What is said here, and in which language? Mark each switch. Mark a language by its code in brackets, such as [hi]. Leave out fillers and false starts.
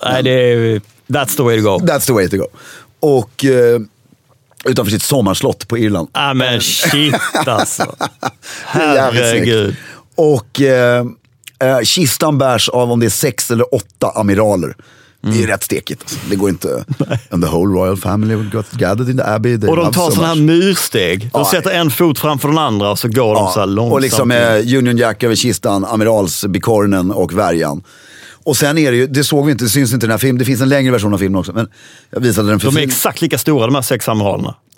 [sv] Nej, det är ju... [en] That's the way to go. That's the way to go. [sv] Och utanför sitt sommarslott på Irland. Ja, ah, men shit alltså. Herregud. Och kistan bärs av om det är 6 eller 8 amiraler. Det är rätt stekigt. Alltså. Det går inte. [en] And the whole royal family got gathered in the abbey. They [sv] och de tar sådana här myrsteg. De sätter en fot framför den andra och så går de så här långsamt. Och liksom Union Jack över kistan, amiralsbikornen och värjan. Och sen är det ju, det såg vi inte, det syns inte i den här filmen. Det finns en längre version av filmen också, men jag visade den för de är exakt lika stora, de här 6 amiralerna.